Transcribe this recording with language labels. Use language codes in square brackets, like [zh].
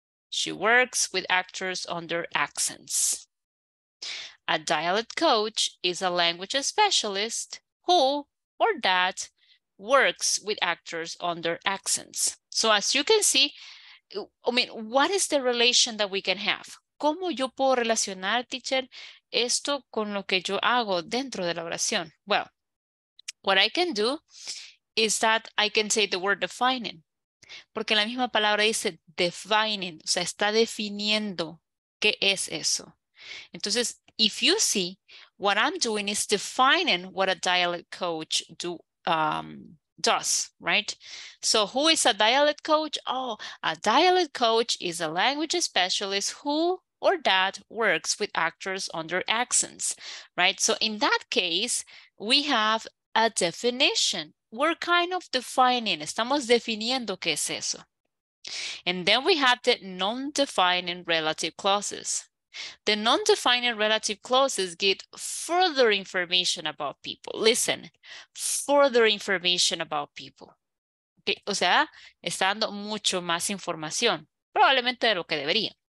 [en] She works with actors under accents. A dialect coach is a language specialist who or that works with actors under accents. So as you can see, I mean, what is the relation that we can have? [es] ¿Cómo yo puedo relacionar, teacher, esto con lo que yo hago dentro de la oración? [en] Well, what I can do is that I can say the word defining, [es] porque la misma palabra dice defining, o sea, está definiendo qué es eso. Entonces, [en] if you see, what I'm doing is defining what a dialect coach does, right? So who is a dialect coach? Oh, a dialect coach is a language specialist who or that works with actors under accents, right? So in that case, we have a definition. We're kind of defining, [es] estamos definiendo qué es eso. [en] And then we have the non-defining relative clauses. The non-defining relative clauses give further information about people. Listen, further information about people. Okay? [es] O sea, está dando mucho más información, probablemente de lo que debería.